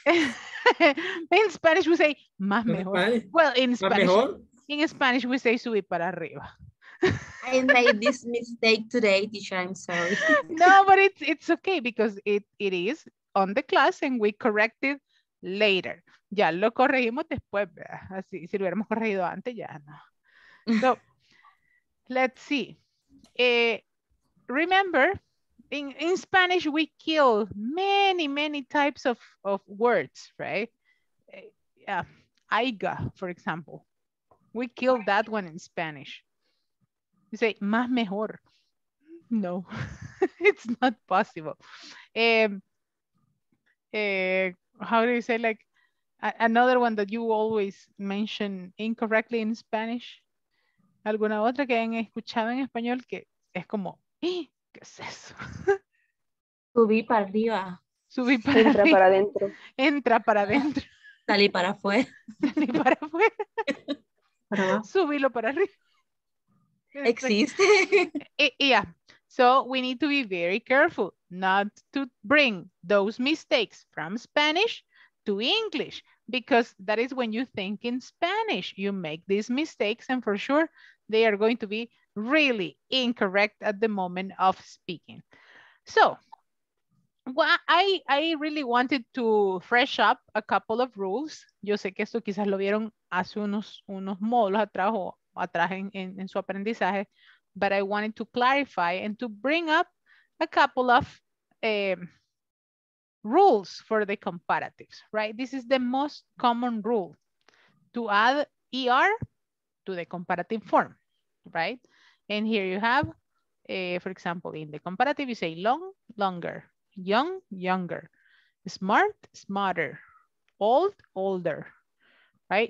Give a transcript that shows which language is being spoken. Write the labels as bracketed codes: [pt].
[en] In Spanish, we say [es] más mejor. [en] Well, in Spanish. In Spanish, we say [es] subir para arriba. [en] I made this mistake today, teacher. I'm sorry. No, but it's okay because it is on the class and we correct it later. [es] Ya lo corregimos después, ¿verdad? Así, si lo hubiéramos corregido antes, ya no. [en] So, let's see. Remember, in Spanish, we kill many, many types of words, right? Aiga, for example. We kill that one in Spanish. You say, [es] más mejor. [en] No, it's not possible. How do you say, like, another one that you always mention incorrectly in Spanish? [es] ¿Alguna otra que hayan escuchado en español que es como, ¿qué es eso? Subí para arriba. Subí para Entra arriba. Para adentro. Entra para adentro. Salí para afuera. Salí para afuera. Subilo para arriba. Existe. [en] Yeah. So we need to be very careful not to bring those mistakes from Spanish to English, because that is when you think in Spanish, you make these mistakes, and for sure they are going to be really incorrect at the moment of speaking. So, well, I really wanted to fresh up a couple of rules. [es] Yo sé que esto quizás lo vieron hace unos módulos atrás o atrás en su aprendizaje, [en] but I wanted to clarify and to bring up a couple of rules for the comparatives, right? This is the most common rule, to add ER to the comparative form, right? And here you have, for example, in the comparative, you say long, longer, young, younger, smart, smarter, old, older, right?